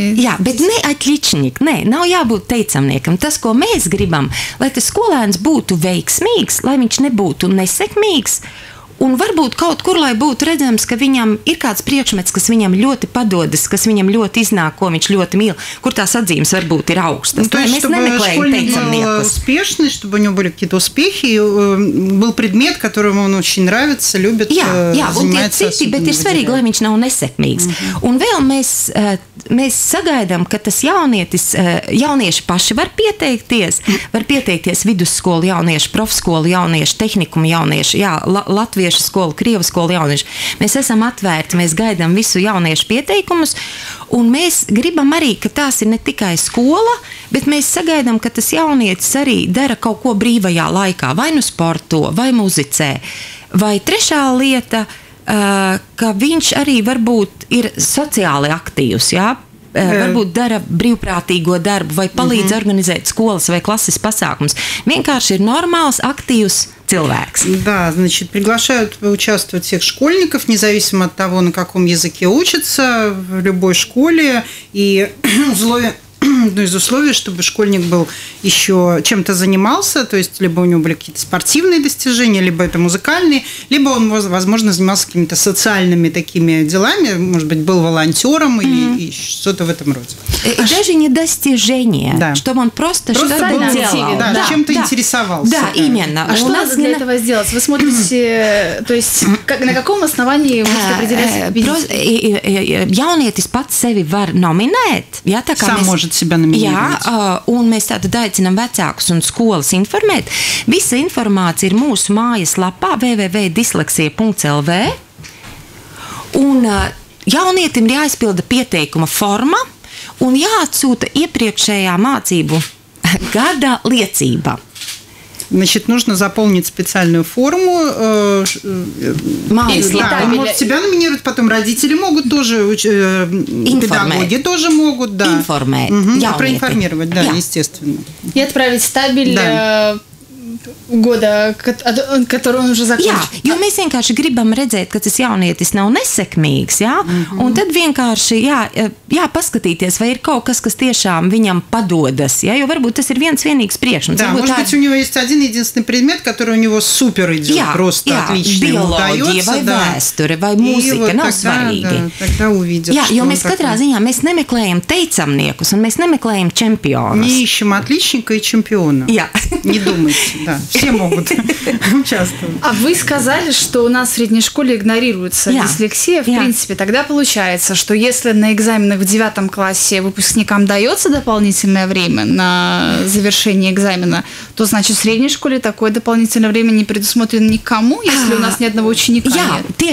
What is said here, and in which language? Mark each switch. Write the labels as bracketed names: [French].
[Latvian] Jā, bet ne atličnik, ne, nav jābūt teicamniekam. Tas, ko mēs gribam, lai tas skolēns būtu veiksmīgs, lai viņš nebūtu nesekmīgs, Un varbūt kaut kur, lai būtu redzams, ka viņam ir kāds priekšmets, kas viņam ļoti padodas, kas viņam ļoti iznāk, ko viņš ļoti mīl, kur tās atzīmes varbūt ir augstas. [Russian] То есть, чтобы школьник был успешный, чтобы у него были какие-то успехи, был предмет, которому он очень нравится, любит, занимается. [Latvian] Jā, un tie citi, bet ir svarīgi, lai viņš nav nesekmīgs. Un vēl mēs sagaidām, ka tas jaunieši paši var pieteikties, vidusskolu jaunieši, profskolu jaunieši, tehnikumu jaunieši, latviešu skolu, krievu skolu jaunieši. Mēs esam atvērti, mēs gaidām visu jauniešu pieteikumus, un mēs gribam arī, ka tās ir ne tikai skola, bet mēs sagaidām, ka tas jaunietis arī dara kaut ko brīvajā laikā, vai nu sporto, vai muzicē, vai trešā lieta, ka viņš arī varbūt ir sociāli aktīvs, jā? Varbūt dara brīvprātīgo darbu vai palīdz organizēt skolas vai klases pasākumus. Vienkārši ir normāls, aktīvs cilvēks. [Russian] Да, значит, приглашают участвовать всех школьников, независимо от того, на каком языке учатся, в любой школе, и одно из условий, чтобы школьник был еще чем-то занимался, то есть либо у него были какие-то спортивные достижения, либо это музыкальные, либо он, возможно, занимался какими-то социальными такими делами, может быть, был волонтером или что-то в этом роде. И даже не достижение, чтобы он просто что-то делал. Чем-то интересовался. Да, именно. А что надо для этого сделать? Вы смотрите, то есть на каком основании можете определять? [Latvian] Jaunietis pats sevi var nominēt. [Russian] Сам может себя номинировать. [Latvian] Jā, un mēs tātad aicinām vecākus un skolas informēt. Visa informācija ir mūsu mājas lapā www.disleksija.lv un jaunietim ir jāizpilda pieteikuma forma un jāatsūta iepriekšējā mācību gada liecība. [Russian] Значит, нужно заполнить специальную форму. Он может себя номинировать, потом родители могут тоже, педагоги тоже могут, да. Проинформировать, да, естественно. И отправить стабель года, который он уже закончил. [Latvian] Jā, jo mēs vienkārši gribam redzēt, ka tas jaunietis nav nesekmīgs, jā? Un tad vienkārši paskatīties, vai ir kaut kas, kas tiešām viņam padodas, jā? Jo varbūt tas ir viens vienīgs priekšmets. [Russian] Да, может быть, у него есть один единственный предмет, который у него супер идёт, просто отлично удаётся, да. Биология, [Latvian] вай вестуре, вай музыка, нав сварīgi. [Russian] Тогда увидишь. [Latvian] Jā, jo mēs katrā ziņā, mēs nemeklējam teicamniekus, un mēs nemeklējam čempionus. [Russian] Не ищем отличника и чемпиона. [Latvian] Jā. [Russian] Не думайте. Да, все могут участвовать. А вы сказали, что у нас в средней школе игнорируется дислексия. В принципе, тогда получается, что если на экзаменах в 9 классе выпускникам дается дополнительное время на завершение экзамена, то значит в средней школе такое дополнительное время не предусмотрено никому, если у нас ни одного ученика нет.